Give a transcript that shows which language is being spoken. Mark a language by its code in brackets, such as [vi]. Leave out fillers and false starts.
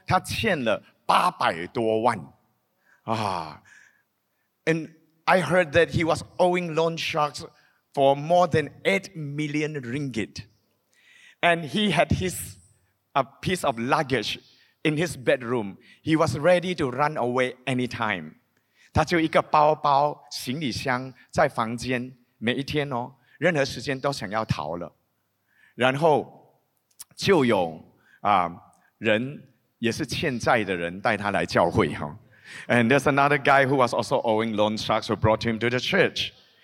[zh] 所以他们就听说他欠了800多万。 [en] And I heard that he was owing loan sharks for more than 8 million ringgit. And he had a piece of luggage in his bedroom. He was ready to run away anytime. [zh] 他就一个包包行李箱在房间, 每一天哦, 任何时间都想要逃了。然后, 就有人也是欠债的人带他来教会, huh? [en] And there's another guy who was also owing loan sharks who brought him to the church.